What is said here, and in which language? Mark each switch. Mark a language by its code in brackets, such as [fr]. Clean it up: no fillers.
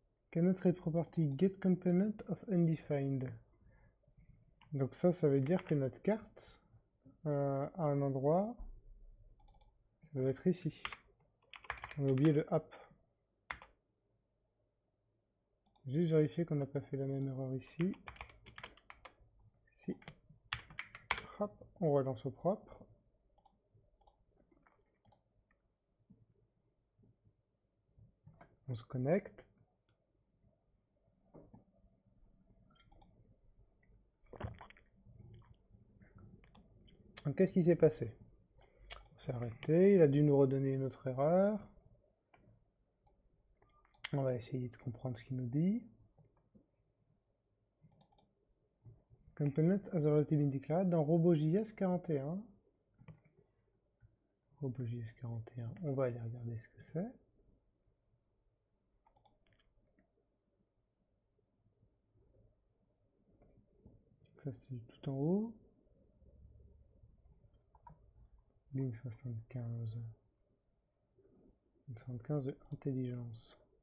[en] Cannot read property get component of undefined. [fr] Donc ça veut dire que notre carte a un endroit. Ça doit être ici. On a oublié le app. Juste vérifier qu'on n'a pas fait la même erreur ici. Si. Hop, on relance au propre. On se connecte. Donc, qu'est-ce qui s'est passé? On s'est arrêté, il a dû nous redonner une autre erreur. On va essayer de comprendre ce qu'il nous dit. [en] Component has already been declared dans RoboJS 41. [fr] RoboJS 41, on va aller regarder ce que c'est. C'est tout en haut. Ligne 75. 75 de intelligence.